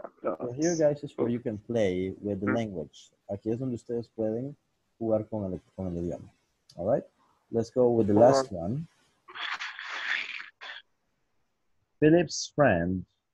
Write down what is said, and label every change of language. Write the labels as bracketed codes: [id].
[en] So here, guys, is where you can play with the language. [es] Aquí es donde ustedes pueden jugar con el idioma. [en] All right, let's go with the last one. Philip's friends